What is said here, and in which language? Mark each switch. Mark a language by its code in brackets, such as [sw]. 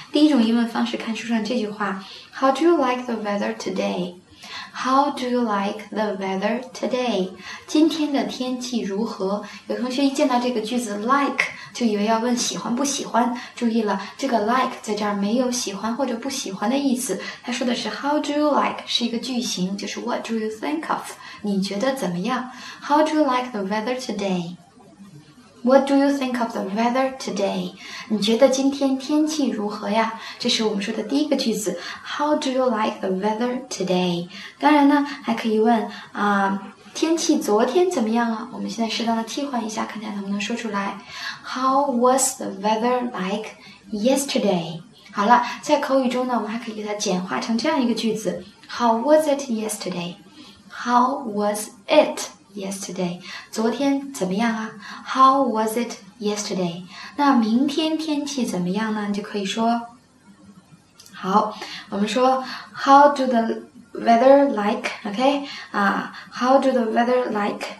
[zh] 第一种疑问方式，看书上这句话 [en] How do you like the weather today? How do you like the weather today? [zh] 今天的天气如何？有同学一见到这个句子 like 就以为要问喜欢不喜欢，注意了，这个 like 在这儿没有喜欢或者不喜欢的意思，他说的是 [en] how do you like [zh] 是一个句型，就是 [en] what do you think of [zh] 你觉得怎么样。 [en] How do you like the weather todayWhat do you think of the weather today? [zh] 你觉得今天天气如何呀？这是我们说的第一个句子。 [en] How do you like the weather today? [zh] 当然呢，还可以问天气昨天怎么样啊？我们现在适当的替换一下，看看能不能说出来。 [en] How was the weather like yesterday? [zh] 好了，在口语中呢，我们还可以给它简化成这样一个句子。 [en] How was it yesterday? How was it? Yesterday, [zh] 昨天怎么样啊 [en] ？How was it yesterday? [zh] 那明天天气怎么样呢？你就可以说，好，我们说 [en] How do the weather like? OK, How do the weather like?